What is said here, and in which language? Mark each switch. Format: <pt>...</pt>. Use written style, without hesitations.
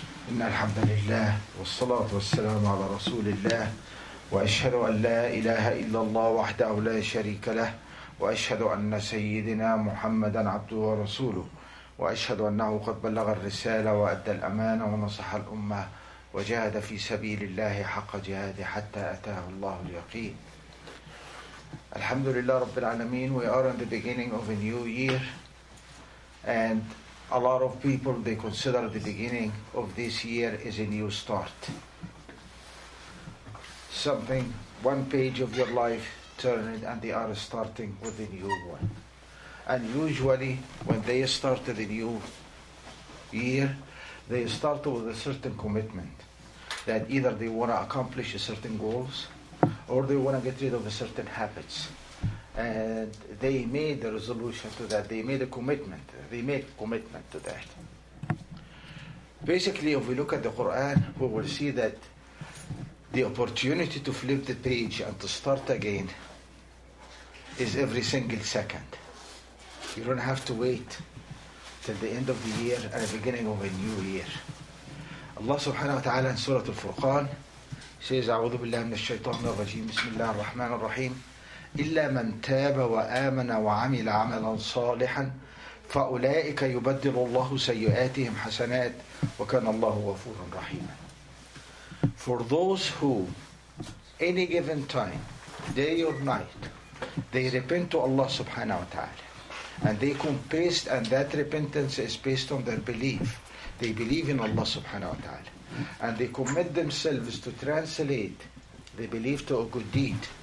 <ar>إن الحمد لله والصلاة والسلام على رسول الله وأشهد أن لا إله إلا الله وحده لا شريك له وأشهد أن سيدنا محمدا عبده ورسوله وأشهد أنه قد بلغ الرسالة وأدى الأمانة ونصح الأمة وجاهد في سبيل الله حق جهاده حتى أتاه الله اليقين. الحمد لله رب العالمين.</ar> <en>We are in the beginning of a new year, and a lot of people, they consider the beginning of this year is a new start. Something, one page of your life turned and they are starting with a new one. And usually when they start the new year, they start with a certain commitment that either they want to accomplish a certain goals or they want to get rid of a certain habits. And they made a resolution to that. They made a commitment. They made commitment to that. Basically, if we look at the Quran, we will see that the opportunity to flip the page and to start again is every single second. You don't have to wait till the end of the year and the beginning of a new year. Allah subhanahu wa ta'ala in Surah Al-Furqan says,</en> <ar>أعوذ بالله من الشيطان الرجيم بسم الله الرحمن الرحيم إلا من تاب وآمن وعمل عملا صالحا فأولئك يبدل الله سيئاتهم حسنات وكان الله غفورا رحيما.</ar> <en>For those who any given time, day or night, they repent to Allah subhanahu wa ta'ala and they confess, and that repentance is based on their belief. They believe in Allah subhanahu wa ta'ala and they commit themselves to translate the belief to a good deed.</en>